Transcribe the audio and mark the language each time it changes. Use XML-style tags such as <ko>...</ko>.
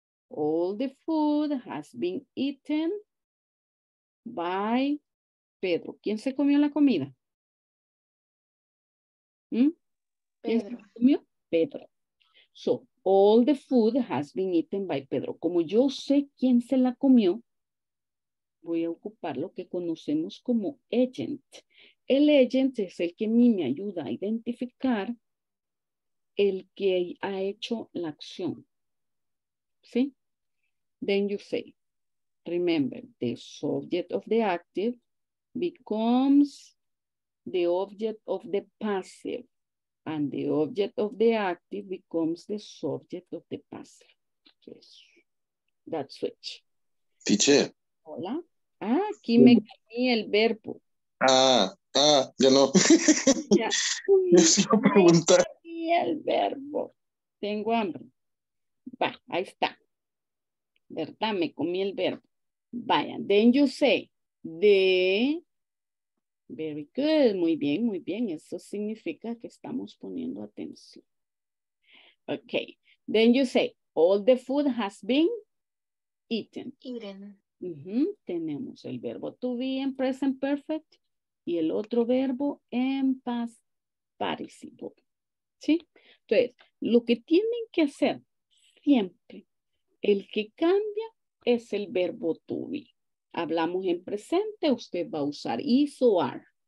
<en>All the food has been eaten by Pedro.</en> <es>¿Quién se comió la comida? ¿Mm? Pedro. ¿Quién se comió? Pedro.</es> <en>So, all the food has been eaten by Pedro.</en> <es>Como yo sé quién se la comió, voy a ocupar lo que conocemos como agent. El agent es el que a mí me ayuda a identificar el que ha hecho la acción. ¿Sí?</es> <en>Then you say, remember, the subject of the active becomes the object of the passive. And the object of the active becomes the subject of the passive. Yes. That's which. Teacher.</en> <es>Hola. Ah, aquí me cambié el verbo. Ah. Ah, ya no. Ya. Yo se iba a preguntar. Y el verbo. Tengo hambre. Va, ahí está. ¿Verdad? Me comí el verbo. Vaya.</es> <en>Then you say, the. Very good.</en> <es>Muy bien, muy bien. Eso significa que estamos poniendo atención. Ok.</es> <en>Then you say, all the food has been eaten. Eaten.</en> <es>Uh-huh. Tenemos el verbo to be en present perfect. Y el otro verbo en past participle, ¿sí? Entonces, lo que tienen que hacer siempre, el que cambia es el verbo to be. Hablamos en presente, usted va a usar is o are.</es>